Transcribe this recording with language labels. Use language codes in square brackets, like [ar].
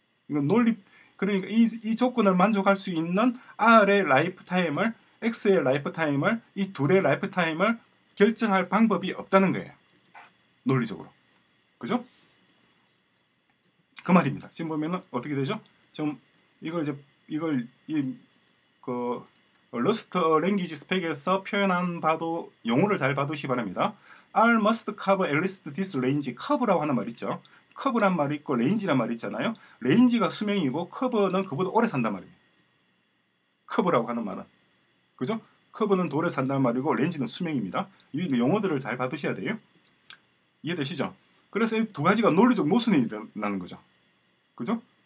[ko] 이건 논리, 그러니까 이 조건을 만족할 수 있는 R의 라이프타임을 X의 라이프타임을 이 둘의 라이프타임을 결정할 방법이 없다는 거예요. 논리적으로. 그죠? 그 말입니다. 지금 보면은 어떻게 되죠? 지금 이걸 이제 이걸 이 그 러스트 랭귀지 스펙에서 표현한 봐도 용어를 잘 봐두시기 바랍니다. [en] R must cover at least this range. [ko] cover라고 하는 말 있죠. cover란 말이 있고 range란 말이 있잖아요. range가 수명이고 cover는 그보다 오래 산단 말입니다. cover라고 하는 말은. 그죠? cover는 오래 산단 말이고 range는 수명입니다. 이 용어들을 잘 봐두셔야 돼요. 이해되시죠? 그래서 이 두 가지가 논리적 모순이 일어나는 거죠. 그죠?